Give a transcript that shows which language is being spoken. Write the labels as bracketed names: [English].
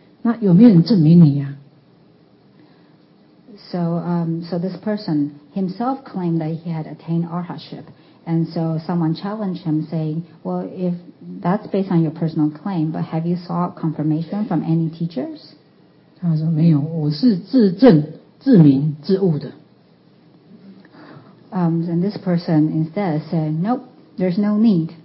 [English] Does anyone have evidence for you?" So this person himself claimed that he had attained arhatship. And so someone challenged him saying, well, if that's based on your personal claim, but have you sought confirmation from any teachers? [Chinese] 他说没有，我是自证自明自悟的。 [English] And this person instead said, nope, there's no need.